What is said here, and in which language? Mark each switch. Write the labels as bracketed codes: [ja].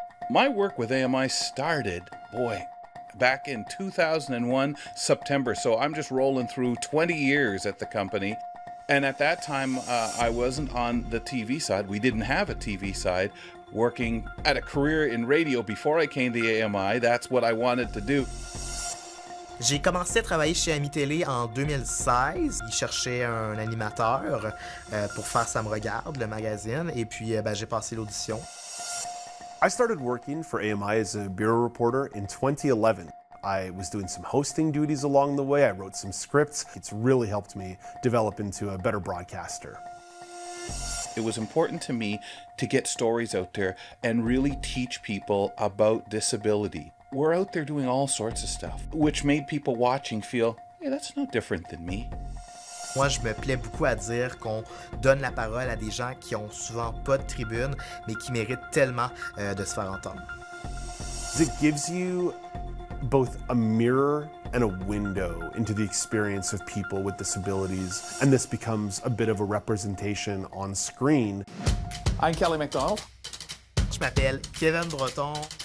[en] My work with AMI started, boy, back in 2001, September. So I'm just rolling through 20 years at the company. And at that time, I wasn't on the TV side. We didn't have a TV side. Working at a career in radio before I came to AMI, that's what I wanted to do. [fr] J'ai commencé à travailler chez AMI-télé en 2016. Ils cherchaient un animateur pour faire Ça me regarde, le magazine, et puis j'ai passé l'audition. [en] I started working for AMI as a bureau reporter in 2011. I was doing some hosting duties along the way, I wrote some scripts. It's really helped me develop into a better broadcaster. It was important to me to get stories out there and really teach people about disability. We're out there doing all sorts of stuff, which made people watching feel, yeah, that's no different than me. [fr] Moi, je me plais beaucoup à dire qu'on donne la parole à des gens qui ont souvent pas de tribune, mais qui méritent tellement de se faire entendre. [en] It gives you both a mirror and a window into the experience of people with disabilities, and this becomes a bit of a representation on screen. I'm Kelly McDonald. [fr] Je m'appelle Kevin Breton.